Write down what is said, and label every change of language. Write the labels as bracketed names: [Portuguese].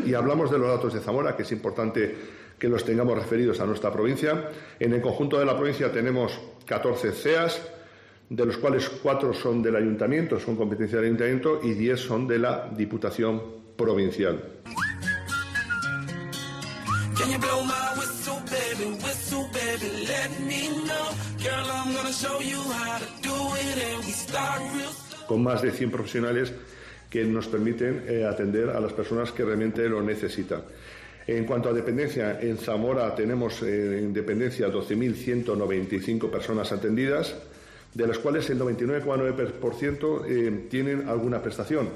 [Spanish] Y hablamos de los datos de Zamora, que es importante que los tengamos referidos a nuestra provincia. En el conjunto de la provincia tenemos 14 CEAS, de los cuales 4 son del ayuntamiento, son competencia del ayuntamiento, y 10 son de la Diputación Provincial. [English] Can you blow my whistle, baby, let me know. Girl, I'm gonna show you how to do it, and we start real soon. [Spanish] Con más de 100 profesionales que nos permiten atender a las personas que realmente lo necesitan. En cuanto a dependencia, en Zamora tenemos en dependencia 12.195 personas atendidas, de las cuales el 99,9% tienen alguna prestación.